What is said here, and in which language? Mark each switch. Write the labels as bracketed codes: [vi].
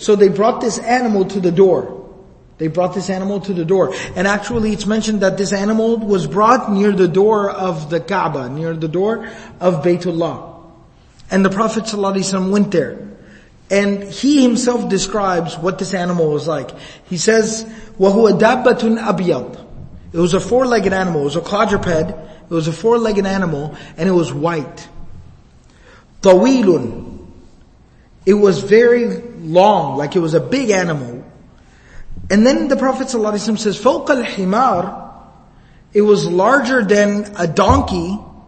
[en] So they brought this animal to the door. They brought this animal to the door. And actually it's mentioned that this animal was brought near the door of the Kaaba, near the door of Baytullah. And the Prophet sallallahu alaihi wasallam went there. And he himself describes what this animal was like. He says, [ar] وَهُوَ دَابَّةٌ أَبْيَضٌ. [en] It was a four-legged animal. It was a quadruped. It was a four-legged animal, and it was white. [ar] طويلٌ. [en] It was very long, like it was a big animal. And then the Prophet ﷺ says, [ar] فَوْقَ الْحِمَارِ. [en] It was larger than a donkey.